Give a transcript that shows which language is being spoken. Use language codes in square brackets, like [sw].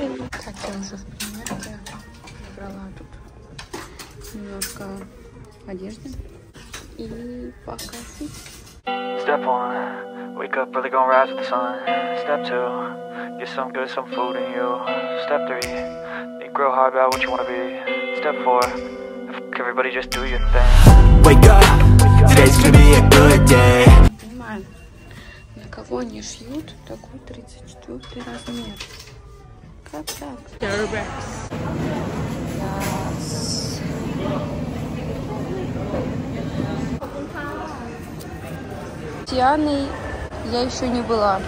[ru] Так, я уже в примерке набрала тут немножко одежды и покрасить. [en] Step one, wake up early, gonna rise with the sun. Step two, get some good, some food in you. Step three, think real hard about what you wanna be. Step four, fuck everybody, just do your thing. Wake up, today's gonna be a good day. [ru] На кого они шьют такой 34-й размер? Как так? [en] Yes. [ru] Тианой я еще не была.